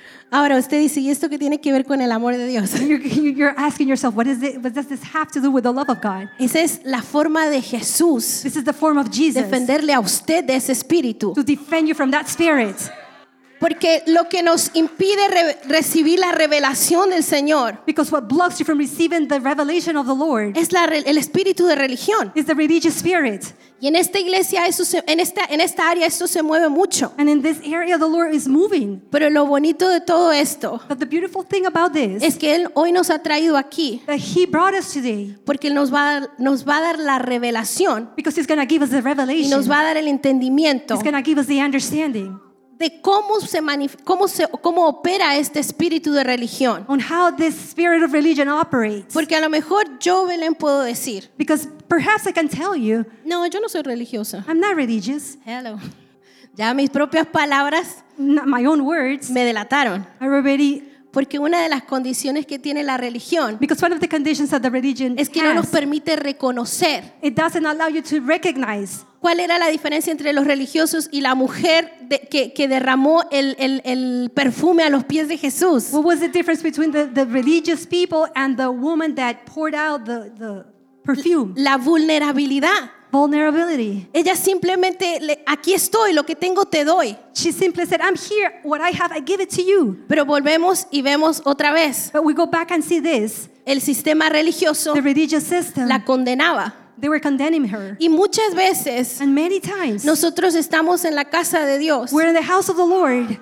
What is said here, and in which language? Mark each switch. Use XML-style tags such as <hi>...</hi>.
<es>Ahora usted dice, ¿y esto qué tiene que ver con el amor de Dios?</es> <en>You're asking yourself, what does this have to do with the love of God?</en> <es>Esa es la forma de Jesús.</es> <en>This is the form of Jesus.</en> <es>Defenderle a usted de ese espíritu.</es> <en>To defend you from that spirit.</en> <es>Porque lo que nos impide recibir la revelación del Señor,</es> <en>because what blocks you from receiving the revelation of the Lord,</en> <es>es el espíritu de religión.</es> <en>Is the religious spirit.</en> <es>Y en esta iglesia eso en esta área eso se mueve mucho.</es> <en>And in this area the Lord is moving.</en> <es>Pero lo bonito de todo esto,</es> <en>but the beautiful thing about this,</en> <es>es que él hoy nos ha traído aquí,</es> <en>that he brought us today,</en> <es>porque él nos va a dar la revelación,</es> <en>because he's going to give us the revelation,</en> <es>y nos va a dar el entendimiento,</es> <en>he's going to give us the understanding,</en> <es>de cómo opera este espíritu de religión.</es> <en>On how this spirit of religion operates.</en> <es>Porque a lo mejor yo, Belén, puedo decir,</es> <en>because perhaps I can tell you,</en> <es>no, yo no soy religiosa.</es> <en>I'm not religious. Hello.</en> <es>Ya mis propias palabras,</es> <en>not my own words,</en> <es>me delataron.</es> <en>Already.</en> <es>Porque una de las condiciones que tiene la religión,</es> <en>because one of the conditions that the religion</en> <es>has, es que no nos permite reconocer,</es> <en>it doesn't allow you to recognize,</en> <es>¿cuál era la diferencia entre los religiosos y la mujer que derramó el perfume a los pies de Jesús?</es> <en>What was the difference between the religious people and the woman that poured out the perfume?</en> <es>La vulnerabilidad.</es> <en>Vulnerability.</en> <es>Ella simplemente aquí estoy, lo que tengo te doy.</es> <en>She simply said, I'm here, what I have, I give it to you.</en> <es>Pero volvemos y vemos otra vez.</es> <en>But we go back and see this.</en> <es>El sistema religioso,</es> <en>the religious system,</en> <es>la condenaba.</es> <en>They were condemning her.</en> <es>Y muchas veces,</es> <en>and many times,</en> <es>nosotros estamos en la casa de Dios,</es> <en>we're in the house of the Lord,</en>